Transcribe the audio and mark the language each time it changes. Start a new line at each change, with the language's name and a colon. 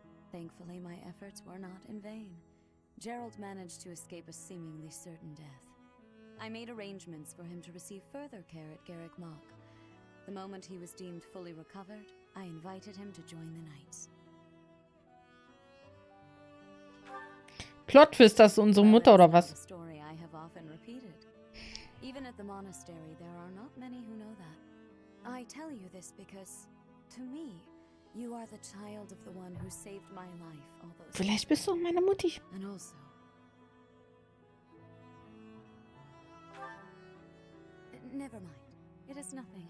English: Thankfully, my efforts were not in vain. Geralt managed to escape a seemingly certain death. I made arrangements for him to receive further care at Garrick Mach. The moment he was deemed fully recovered, I invited him to join the Knights.
German: Plot Twist, das ist unsere Mutter, oder was?
English: Story I have often repeated. Even at the monastery, there are not many who know that. I tell you this because, to me, you are the child of the one who saved my life all those
German: years. Vielleicht bist du auch meine Mutti.
English: And also, never mind. It is nothing.